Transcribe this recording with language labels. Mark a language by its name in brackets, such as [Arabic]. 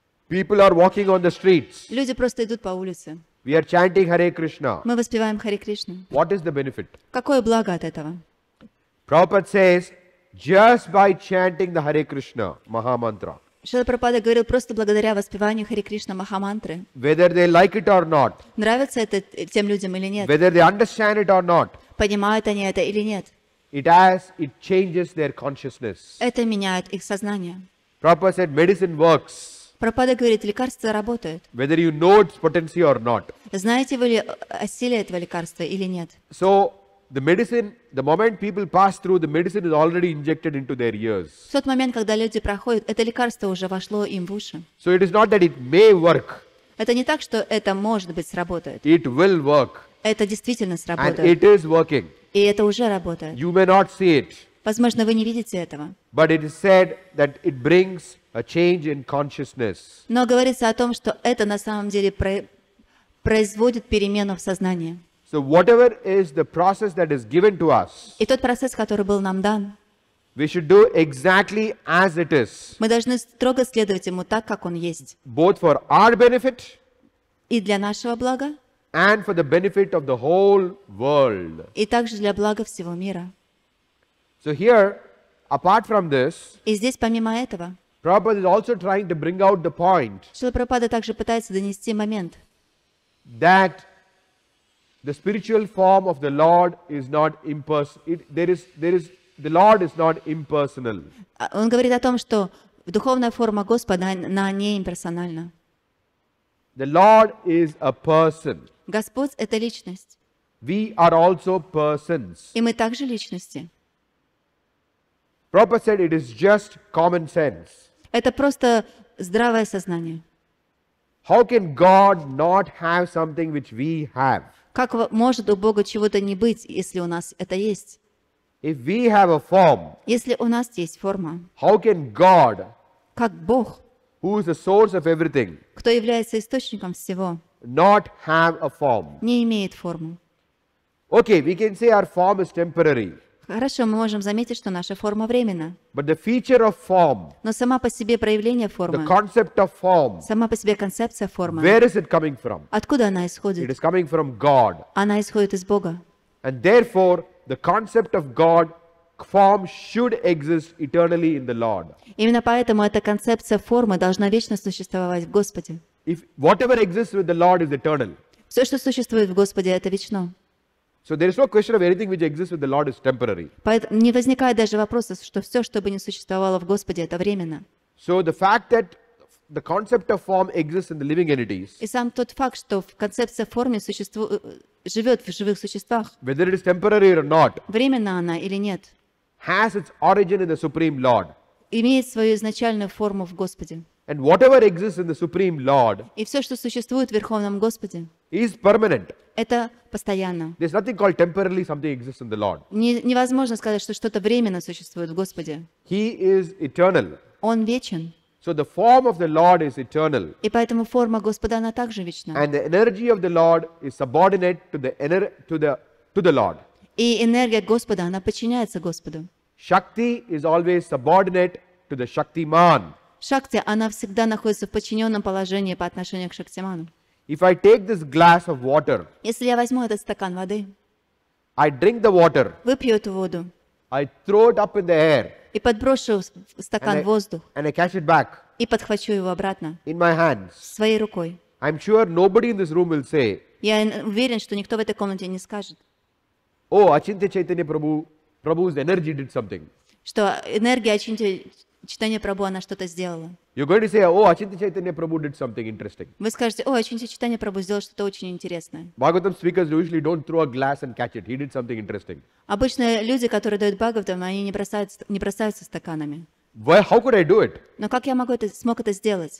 [English] People are walking on the streets. [Russian] Люди просто идут по улице. [English] We are chanting Hare Krishna. [Russian] Мы воспеваем Хари Кришну. [English] What is the benefit? [Russian] Какое благо от этого? [English] Prabhupada says, just by chanting the Hare Krishna Maha Mantra. [Russian] Шрила Прабхупада говорил просто благодаря воспеванию Хари Кришна Маха Мантры. [English] Whether they like it or not. [Russian] Нравится это тем людям или нет? [English] Whether they understand it or not. [Russian] Понимают они это или нет? [English] It changes their consciousness. [Russian] Это меняет их сознание. [English] Prabhupada said, medicine works. [Russian] Прабхупада говорит, лекарство работает. [English] Whether you know its potency or not. [Russian] Знаете вы ли о силе этого лекарства или нет? [English] So the medicine, the moment people pass through, the medicine is already injected into their ears. [Russian] В тот момент, когда люди проходят, это лекарство уже вошло им в уши. [English] So it is not that it may work. [Russian] Это не так, что это может быть сработает. [English] It will work. [Russian] Это действительно сработает. [English] And it is working. [Russian] И это уже работает. [English] You may not see it. [Russian] Возможно, вы не видите этого. [English] But it is said that it brings a change in consciousness. [Russian] Но говорится о том, что это на самом деле производит перемену в сознании. [English] So whatever is the process that is given to us, [Russian] и тот процесс, который был нам дан, [English] we should do exactly as it is. [Russian] Мы должны строго следовать ему так, как он есть. [English] Both for our benefit, [Russian] и для нашего блага, [English] and for the benefit of the whole world. [Russian] И также для блага всего мира. [English] So here, apart from this, [Russian] и здесь помимо этого, [English] Prabhupada is also trying to bring out the point. [Russian] Шрила Прабхупада также пытается донести момент, [English] that the spiritual form of the Lord is not impersonal. The Lord is not impersonal. [Russian] Он говорит о том, что духовная форма Господа, она не имперсональна. [English] The Lord is a person. [Russian] Господь — это личность. [English] We are also persons. [Russian] И мы также личности. [English] Prabhupada said it is just common sense. [Russian] Это просто здравое сознание. [English] How can God not have something which we have? [Russian] Как может у Бога чего-то не быть, если у нас это есть? [English] If we have a form, [Russian] если у нас есть форма, [English] how can God, [Russian] как Бог, [English] who is the source of everything, [Russian] кто является источником всего, [English] not have a form? [Russian] Не имеет форму. [English] Okay, we can say our form is temporary. [Russian] Хорошо, мы можем заметить, что наша форма временна. [English] But the feature of form, [Russian] но сама по себе проявление формы, [English] the concept of form, [Russian] сама по себе концепция формы, [English] where is it coming from? [Russian] Откуда она исходит? [English] It is coming from God. [Russian] Она исходит из Бога. [English] And therefore, the concept of God, form should exist eternally in the Lord. [Russian] Именно поэтому эта концепция формы должна вечно существовать в Господе. [English] If whatever exists with the Lord is eternal, [Russian] все, что существует в Господе, это вечно. [English] So there is no question of anything which exists with the Lord is temporary. [Russian] Не возникает даже вопроса, что все, что бы не существовало в Господе, это временно. [English] So the fact that the concept of form exists in the living entities, [Russian] и сам тот факт, что концепция формы живет в живых существах, [English] whether it is temporary or not, [Russian] временна она или нет, [English] has its origin in the Supreme Lord. [Russian] Имеет свою изначальную форму в Господе. [English] And whatever exists in the Supreme Lord, [Russian] и все, что существует в Верховном Господе, [English] is permanent. [Russian] Это постоянно. [English] There's nothing called temporarily something exists in the Lord. [Russian] Невозможно сказать, что что-то временно существует в Господе. [English] He is eternal. [Russian] Он вечен. [English] So the form of the Lord is eternal. [Russian] И поэтому форма Господа, она также вечна. [English] And the energy of the Lord is subordinate to the Lord. [Russian] И энергия Господа, она подчиняется Господу. [English] Shakti is always subordinate to the Shaktiman. [Russian] Шакти, она всегда находится в подчиненном положении по отношению к Шактиману. [English] If I take this glass of water, [Russian] если я возьму этот стакан воды, [English] I drink the water, [Russian] выпью эту воду, [English] I throw it up in the air, [Russian] и подброшу стакан в воздух, [English] and I catch it back, [Russian] и подхвачу его обратно, [English] in my hands, [Russian] своей рукой. [English] I'm sure nobody in this room will say, [Russian] я уверен, что никто в этой комнате не скажет, [English] о, Ачинтья Чайтанья Прабху, Прабху's energy did something. [Russian] Что энергия Ачинтья Чайтанья Прабху, она что-то сделала. [English] You're going to say, oh, Ачинтья Чайтанья Прабху did something interesting. [Russian] Вы скажете, о, Ачинтья Чайтанья Прабху сделал что-то очень интересное. [English] Bhagavatam speakers usually don't throw a glass and catch it. He did something interesting. [Russian] Обычно люди, которые дают Бхагаватам, они не бросаются стаканами. [English] Why? How could I do it? [Russian] Но как я смог это сделать?